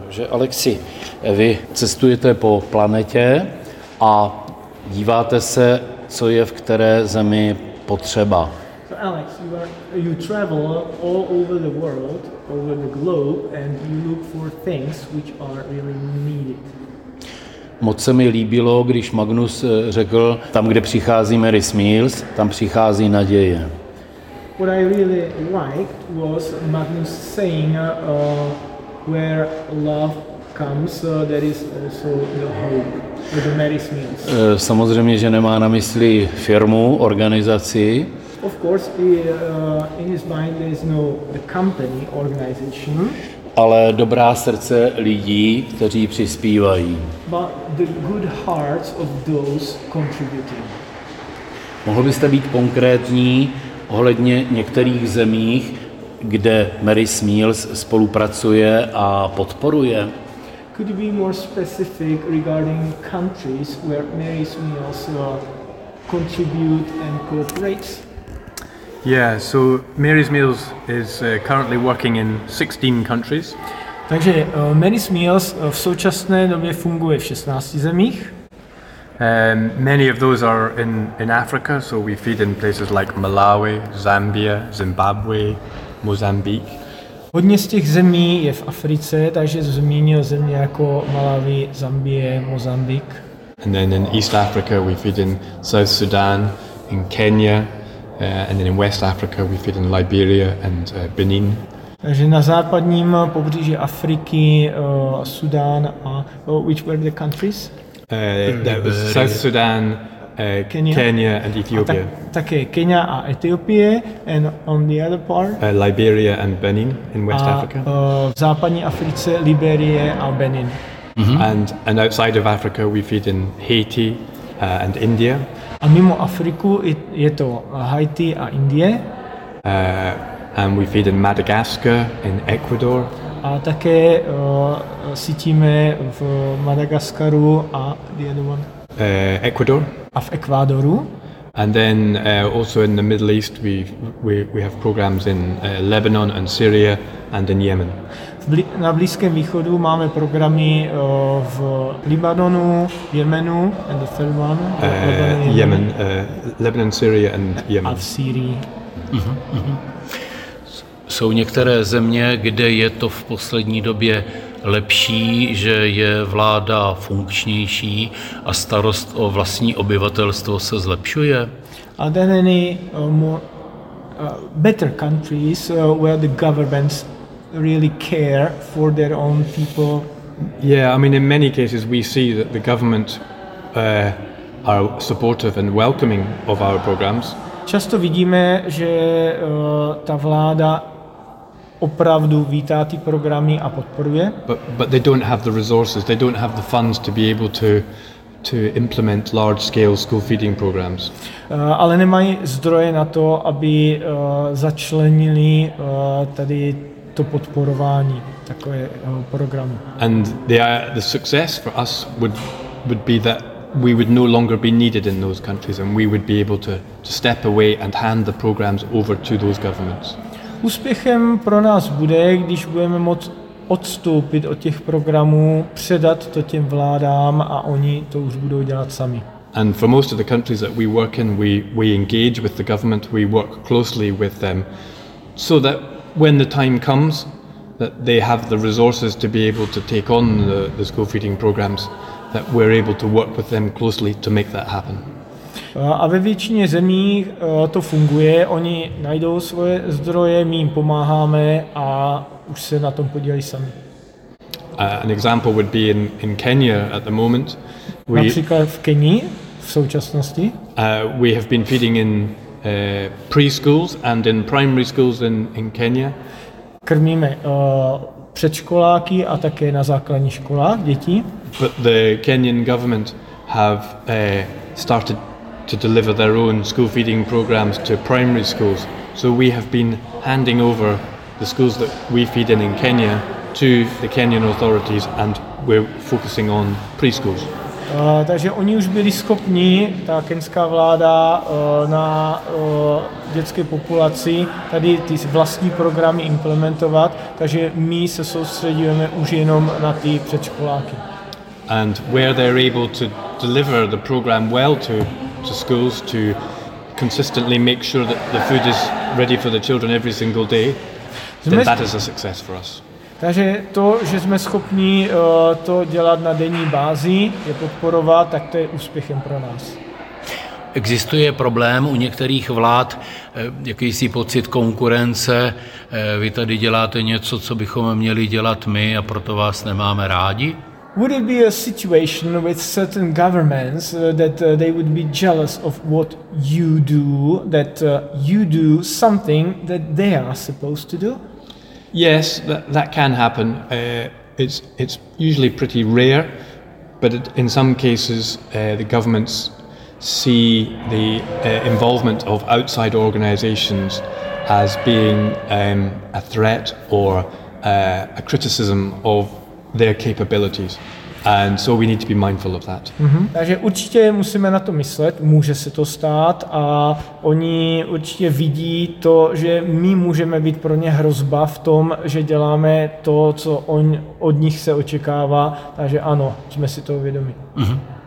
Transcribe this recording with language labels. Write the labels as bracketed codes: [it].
[cs] Alexi, vy cestujete po planetě a díváte se, co je v které zemi potřeba. [en] So Alex, you travel all over the world, over the globe, and you look for things which are really needed. [cs] Moc se mi líbilo, když Magnus řekl, tam, kde přichází Mary Smiles, tam přichází naděje. [en] What I really liked was Magnus saying, where love comes, so that is also the hope, where the Mary Smiles. [cs] Samozřejmě, že nemá na mysli firmu, organizaci. [en] Of course, in his mind there is no the company, organization. [cs] Ale dobrá srdce lidí, kteří přispívají. [en] But the good hearts of those contributing. [cs] Mohl byste být konkrétní ohledně některých zemích, kde Mary Smiles spolupracuje a podporuje? [en] Could you be more specific regarding countries where Mary Smiles contribute and cooperates? Yeah, so Mary Smiles is currently working in 16 countries. [cs] Takže Mary Smiles v současné době funguje v 16 zemích. [en] Many of those are in Africa, so we feed in places like Malawi, Zambia, Zimbabwe, Mozambique. [cs] Hodně z těch zemí je v Africe, takže zmínil země jako Malawi, Zambie, Mozambik. [en] And then in East Africa we feed in South Sudan, in Kenya, and then in West Africa we feed in Liberia and Benin. [cs] Takže na západním pobřeží Afriky, Sudan a [en] which were the countries? South Sudan, Kenya and Ethiopia. [cs] Také Kenya a Etiopie, [en] and on the other part? Liberia and Benin in West Africa. [cs] V západní Africe Liberie a Benin. Mm-hmm. [en] And outside of Africa we feed in Haiti and India. [cs] A mimo Afriku je to Haiti a Indie. [en] And we feed in Madagascar, in Ecuador. [cs] A také sítíme v Madagaskaru a [en] the other one? Ecuador. [cs] A v Ekvádoru. [en] And then also in the Middle East we have programs in Lebanon and Syria and in Yemen. [cs] Na Blízkém východu máme programy v Libanonu, Jemenu [en] and the third one Yemen, Lebanon, Syria and Yemen. [cs] A v Syrii. Jsou některé země, kde je to v poslední době lepší, že je vláda funkčnější a starost o vlastní obyvatelstvo se zlepšuje? [en] Are there any more better countries where the governments really care for their own people? Yeah, I mean in many cases we see that the government are supportive and welcoming of our programs. [cs] Často vidíme, že ta vláda opravdu vítá ty programy a podporuje. [en] But they don't have the resources, they don't have the funds to be able to implement large-scale school feeding programs. [cs] Ale nemají zdroje na to, aby začlenili tady to podporování takového programu. [en] And the success for us would be that we would no longer be needed in those countries and we would be able to step away and hand the programs over to those governments. [cs] Úspěchem pro nás bude, když budeme moct odstoupit od těch programů, předat to těm vládám a oni to už budou dělat sami. [en] And for most of the countries that we work in, we engage with the government, we work closely with them, so that when the time comes, that they have the resources to be able to take on the school feeding programs, that we're able to work with them closely to make that happen. [cs] A ve většině zemí to funguje, oni najdou svoje zdroje, my jim pomáháme a už se na tom podílejí sami. [en] An example would be in Kenya at the moment. [cs] Například v Kenii v současnosti. [en] We have been feeding in preschools and in primary schools in Kenya. [cs] Krmíme předškoláky a také na základní školách děti. [en] But the Kenyan government have started to deliver their own school feeding programs to primary schools. So we have been handing over the schools that we feed in Kenya to the Kenyan authorities and we're focusing on preschools. [cs] Takže oni už byli schopni, ta kenská vláda, na dětské populaci tady ty vlastní programy implementovat, takže my se soustředíme už jenom na ty předškoláky. [en] And where they're able to deliver the program well to schools to consistently make sure that the food is ready for the children every single day, then that is a success for us. [cs] Takže to, že jsme schopni to dělat na denní bázi, je podporovat, tak to je úspěchem pro nás. Existuje problém u některých vlád, jakýsi pocit konkurence, vy tady děláte něco, co bychom měli dělat my a proto vás nemáme rádi? [en] Would it be a situation with certain governments that they would be jealous of what you do, that you do something that they are supposed to do? Yes, that can happen. It's usually pretty rare, but in some cases the governments see the involvement of outside organizations as being a threat or a criticism of their capabilities. And so we need to be mindful of that. Mm-hmm. [cs] Takže určitě musíme na to myslet, může se to stát a oni určitě vidí to, že my můžeme být pro ně hrozba v tom, že děláme to, co od nich se očekává. Takže ano, jsme si to uvědomi. Mm-hmm.